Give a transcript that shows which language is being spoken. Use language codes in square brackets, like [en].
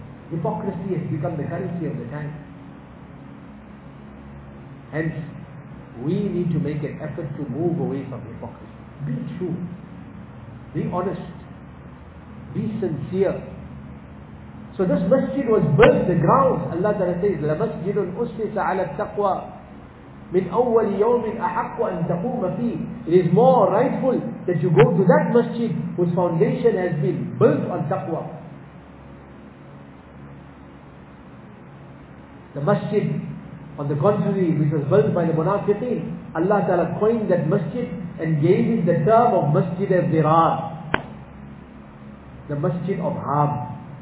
[en] Hypocrisy has become the currency of the time. Hence, we need to make an effort to move away from hypocrisy. Be true. Be honest. Be sincere. So this masjid was built, the grounds. [ar] Allah Ta'ala says, لَمَسْجِدٌ أُسْلِسَ عَلَى التَّقْوَى مِنْ أَوَّلِ يَوْمٍ أَحَقُّ أَنْ تَقُومَ فِيهِ. [en] It is more rightful that you go to that masjid whose foundation has been built on taqwa. The masjid, on the contrary, which was built by the Munafiqeen, Allah Ta'ala coined that masjid and gave it the term of Masjid al-Dirar, the Masjid of Harm.